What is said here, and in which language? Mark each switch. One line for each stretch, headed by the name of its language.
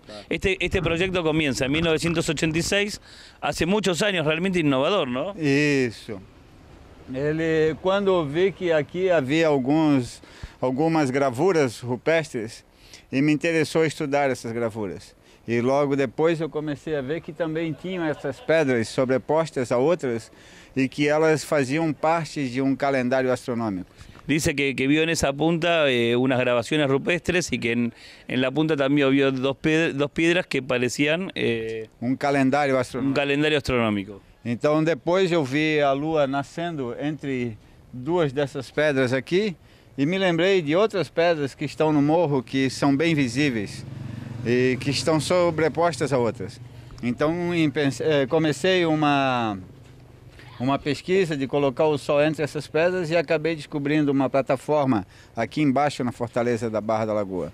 Spanish: Este proyecto comienza en 1986, hace muchos años, realmente innovador, ¿no? Eso. Cuando vi que aquí había algunas gravuras rupestres,
Portuguese: e me interessou estudar essas gravuras. E logo depois eu comecei a ver que também tinham essas pedras sobrepostas a outras e que elas faziam parte de um calendário astronômico.
Spanish: Dice que vio en esa punta unas grabaciones rupestres y que en la punta también vio dos piedras que parecían un calendario astronómico.
Portuguese: Então depois eu vi a lua nascendo entre duas dessas pedras aqui. E me lembrei de outras pedras que estão no morro, que são bem visíveis e que estão sobrepostas a outras. Então comecei uma pesquisa de colocar o sol entre essas pedras e acabei descobrindo uma plataforma aqui embaixo na Fortaleza da Barra da Lagoa.